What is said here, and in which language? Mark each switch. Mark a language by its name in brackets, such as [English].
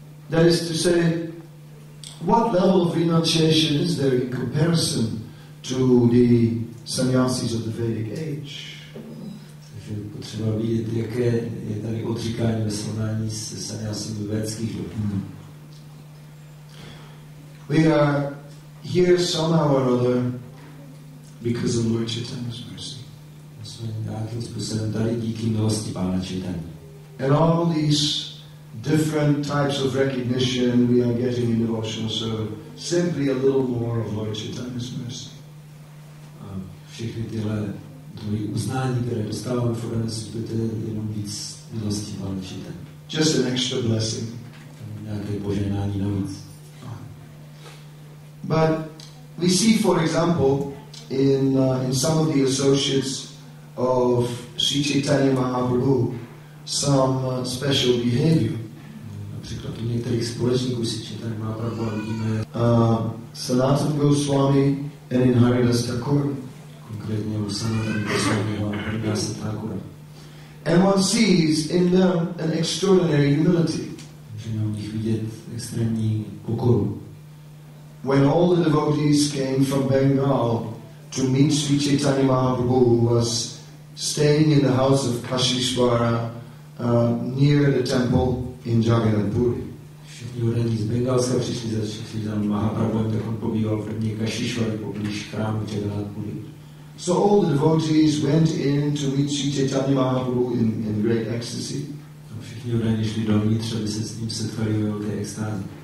[English] That is to say, what level of renunciation is there in comparison to the sannyasis of the Vedic age? [Czech] Potřeba vidět, jaké je tady odříkání ve srovnání se sannyasími védských dobů. [English] We are here somehow or other because of Lord Chaitanya's mercy. [Czech] Jsme nějakým způsobem tady díky milosti Pána Chaitany. [English] And all these different types of recognition we are getting in devotional service, simply a little more of Lord Chaitanya's mercy. [Czech] A všechny tyhle druhé uznání, které dostáváme v obraně světě, jenom víc milosti Pána Chaitany. [English] Just an extra blessing. [Czech] Nějaké požehnání navíc. [English] But we see, for example, in some of the associates of Sri Chaitanya Mahaprabhu, some special behavior. [Czech] Například u některých společníků Sri Chaitanya Mahaprabhu vidíme [English] Sanatana Goswami and in Haridas Thakur. [Czech] Konkrétně u Sanatana Goswami a Haridas Thakura. [English] And one sees in them an extraordinary humility. [Czech] Můžeme u nich vidět extrémní pokoru. [English] When all the devotees came from Bengal to meet Sri Chaitanya Mahaprabhu, who was staying in the house of Kashishwara near the temple in Jagannath Puri. [Czech] Všichni lidé z Bengalska přišli za Sri Chaitanya Mahaprabhu, tak on pobýval v rodině Kashishwara poblíž chrámu Jagannath Puri. [English] So all the devotees went in to meet Sri Chaitanya Mahaprabhu in great ecstasy. [Czech] Všichni lidé šli dovnitř, aby se s ním setkali ve velké extázi.